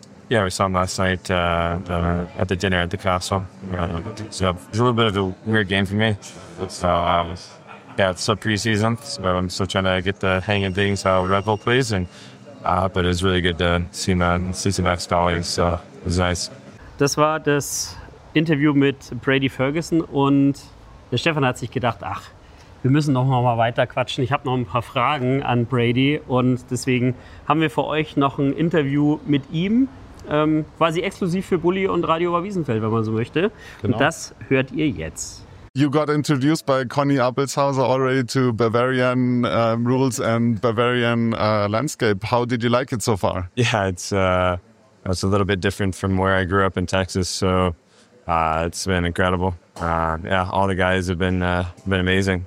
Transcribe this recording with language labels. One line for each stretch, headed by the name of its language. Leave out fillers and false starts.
English: Yeah, we saw him last night at the dinner at the castle. So it was a little bit of a weird game for me. So yeah, it's still preseason, so I'm still trying to get the hang of things, how Red Bull plays. But it was really good to see man, see some ex-colleagues. So it was nice.
German: Das war das Interview mit Brady Ferguson, und der Stefan hat sich gedacht, ach, wir müssen noch mal weiter quatschen. Ich habe noch ein paar Fragen an Brady, und deswegen haben wir für euch noch ein Interview mit ihm. Quasi exklusiv für Bully und Radio Oberwiesenfeld, wenn man so möchte. Genau. Und das hört ihr jetzt.
English: You got introduced by Conny Appelshauser already to Bavarian rules and Bavarian landscape. How did you like it so far? Yeah, it's a little bit different from where I grew up in Texas. So it's been incredible. Yeah, all the guys have been amazing.